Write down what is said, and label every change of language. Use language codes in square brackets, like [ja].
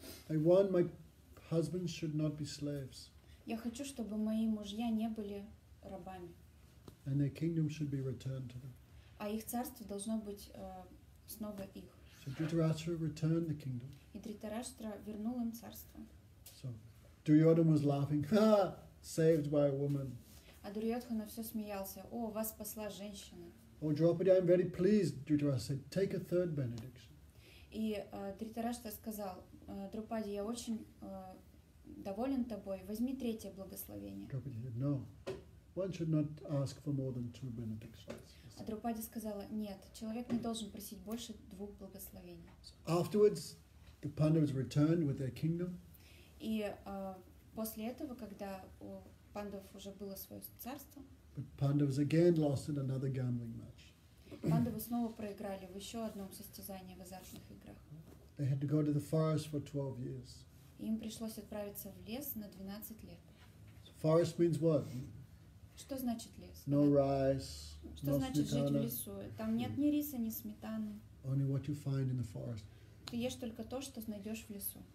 [en] I want my husbands should not be slaves. [ru] Я хочу, чтобы мои мужья не были рабами. [en] And their kingdom should be returned to them. [ru] А их царство должно быть снова их. [en] So Dhritarashtra returned the kingdom. [ru] И Дритараштра вернул им царство. [en] So Duryodhana was laughing. Ha! Saved by a woman. [ru] А Дурьотхана все смеялся. О, вас спасла женщина. [en] Oh, Draupadi, I'm very pleased. Dhritarashtra said, take a third benediction. [ru] И Дритараштра сказал, Драупади, я очень доволен тобой, возьми третье благословение. [en] Draupadi said, no, one should not ask for more than two benedictions. [ru] А Драупади сказала, нет, человек не должен просить больше двух благословений. [en] So afterwards, the Pandavas returned with their kingdom. [ru] И после этого, когда у Пандавов уже было свое царство, Пандавы снова проиграли в еще одном состязании в азартных играх. [en] They had to go to the forest for 12 years. [ru] Им пришлось отправиться в лес на 12 лет. [en] Forest means what? [ru] Что значит лес? [en] No rice. [ru] Что значит жить в лесу? Там нет ни риса, ни сметаны. [en] Only what you find in the forest. [ru] Ты ешь только то, что найдешь в лесу.